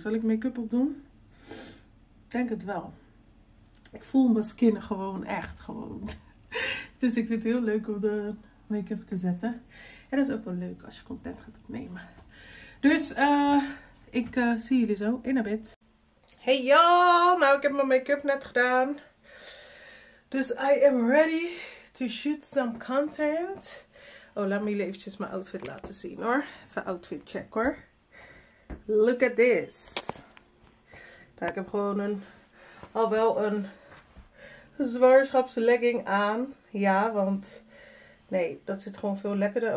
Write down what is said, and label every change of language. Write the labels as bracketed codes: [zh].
[nl] Zal ik make-up op doen? Ik denk het wel. Ik voel mijn skin gewoon echt gewoon. Dus ik vind het heel leuk om de make-up te zetten. En dat is ook wel leuk als je content gaat opnemen. Dus ik zie jullie zo in een bit. [en] Hey y'all, [nl] nou ik heb mijn make-up net gedaan. Dus [en] I am ready to shoot some content. [nl] Oh, laat me jullie eventjes mijn outfit laten zien hoor. Even outfit check hoor. [en] Look at this. [nl] Nou, ik heb gewoon al wel een zwangerschapslegging aan. Ja, want nee, dat zit gewoon veel lekkerder.